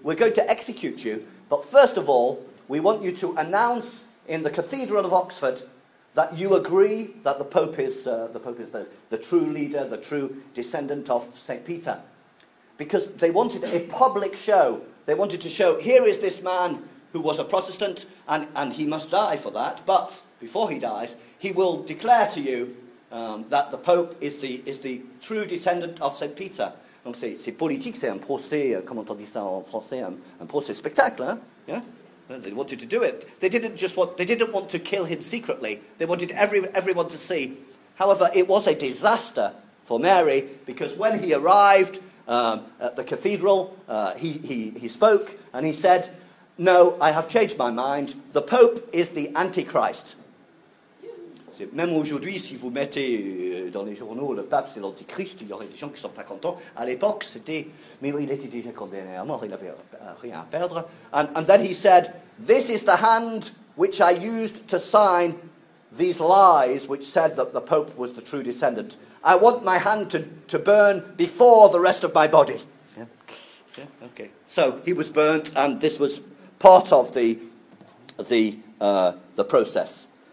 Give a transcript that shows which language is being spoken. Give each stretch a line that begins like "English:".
English: We're going to execute you. But first of all, we want you to announce in the Cathedral of Oxford that you agree that the Pope is the true leader, the true descendant of Saint Peter, because they wanted a public show. They wanted to show here is this man who was a Protestant, and he must die for that, but before he dies, he will declare to you that the Pope is the true descendant of St. Peter.
French: Donc c'est politique, c'est un procès, comment on dit ça en français, un procès spectacle, hein?
English: Yeah? And they wanted to do it. They didn't want to kill him secretly. They wanted everyone to see. However, it was a disaster for Mary, because when he arrived at the cathedral, he spoke and he said, "No, I have changed my mind. The Pope is the Antichrist."
French: Même aujourd'hui, si vous mettez dans les journaux le pape c'est l'antichrist, il y aurait des gens qui ne sont pas contents. À l'époque, c'était... Mais il était déjà condamné à mort, il n'avait rien à perdre.
English: And then he said, "This is the hand which I used to sign these lies which said that the Pope was the true descendant. I want my hand to burn before the rest of my body." Yeah. Yeah, okay. So he was burnt, and this was part of the process.